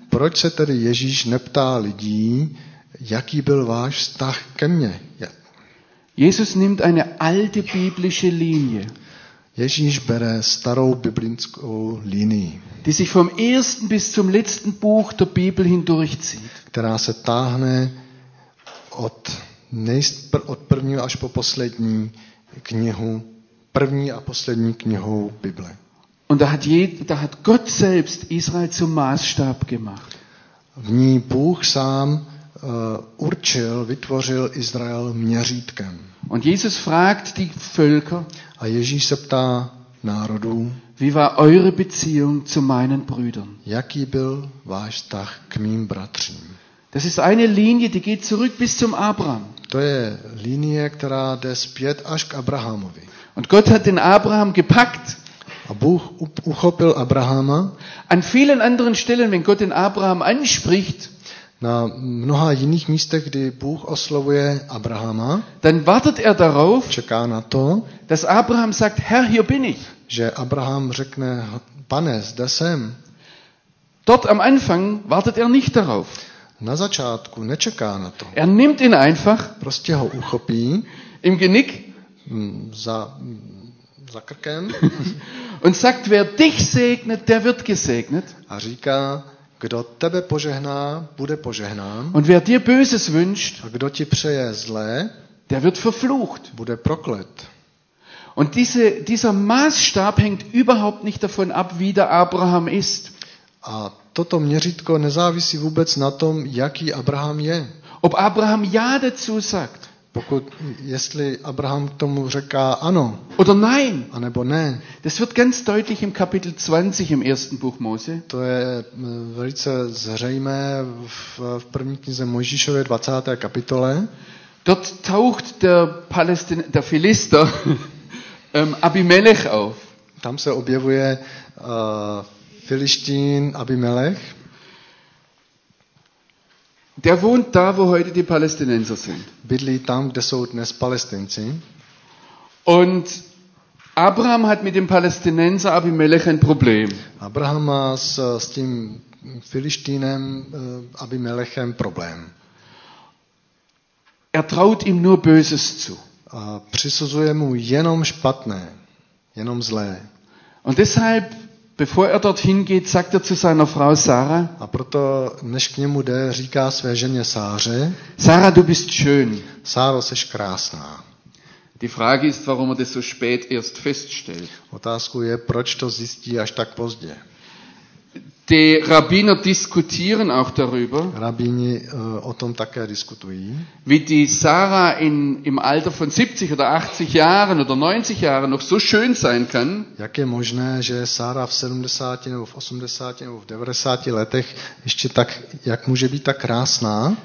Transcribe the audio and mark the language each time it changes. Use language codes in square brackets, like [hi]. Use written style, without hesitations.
[cs] Proč se tedy Ježíš neptá lidí, jaký byl váš vztah ke mně? [de] Jesus nimmt eine alte biblische Linie. [cs] Ježíš bere starou biblickou linii, [de] die sich vom ersten bis zum letzten Buch der Bibel hindurchzieht. [cs] Která se táhne od prvního až po poslední knihu, první a poslední knihou Bible. [de] Und da hat Gott selbst Israel zum Maßstab gemacht. [cs] V ní Bůh sám určil, vytvořil Izrael měřítkem. [de] Und Jesus fragt die Völker, [cs] a Ježíš se ptá národů, [de] wie war eure Beziehung zu meinen Brüdern? [cs] Jaký byl váš vztah k mým bratřím? [de] Das ist eine Linie, die geht zurück bis zum Abraham. [cs] To je linie, která jde zpět až k Abrahamovi. [de] Und Gott hat den Abraham gepackt. [cs] A Bůh uchopil Abrahama. [de] An vielen anderen Stellen, wenn Gott den Abraham anspricht, [cs] na mnoha jiných místech, kdy Bůh oslovuje Abrahama, [de] dann wartet er darauf, [cs] čeká na to, [de] dass Abraham sagt, Herr, hier bin ich. [cs] Že Abraham řekne, pane, zde jsem. [de] Dort am Anfang wartet er nicht darauf. [cs] Na začátku nečeká na to. [de] Er nimmt ihn einfach, [cs] prostě ho uchopí, [de] im Genick, [cs] za krkem, [de] und sagt, wer dich segnet, der wird gesegnet. [cs] A říká, kdo tebe požehná, bude požehnán. [de] Und wer dir Böses wünscht, [cs] a kdo ti přeje zlé, [de] der wird verflucht, [cs] bude proklet. [de] Und dieser Maßstab hängt überhaupt nicht davon ab, wie der Abraham ist. [cs] A toto měřítko nezávisí vůbec na tom, jaký Abraham je. [de] Ob Abraham ja dazu sagt. [cs] Pokud, jestli Abraham k tomu řeká ano. [de] Oder nein. [cs] A nebo ne. [de] Das wird ganz deutlich im Kapitel 20 im ersten Buch Mose. [cs] To je velice zřejmé v první knize Mojžíšově 20. kapitole. [de] Dort taucht der Philister Abimelech auf. [cs] Tam se objevuje Filištín Abimelech. [de] Der wohnt da, wo heute die Palästinenser sind. [cs] Bydlí tam, kde jsou dnes Palästinci. [de] Und Abraham hat mit dem Palästinenser Abimelech ein Problem. [cs] Abraham má s tím Filištínem Abimelechem problém. [de] Er traut ihm nur Böses zu. [cs] A přisuzuje mu jenom špatné, jenom zlé. [de] Und deshalb, bevor er dorthin geht, sagt er zu seiner Frau Sarah. [cs] A proto, než k němu jde, říká své ženě Sáře. [de] Sara, du bist schön. [cs] Sáro, seš krásná. [de] Die Frage ist, warum er das so spät erst feststellt. [cs] Otázku je, proč to zjistí až tak pozdě. [de] Die Rabbiner diskutieren auch darüber. [cs] Rabbini o tom také diskutují. [de] Wie die Sarah im Alter von 70 oder 80 Jahren oder 90 Jahren noch so schön sein kann. [cs] Jak je možné, že Sara v 70 nebo v 80 nebo v 90 letech ještě tak, jak může být tak krásná?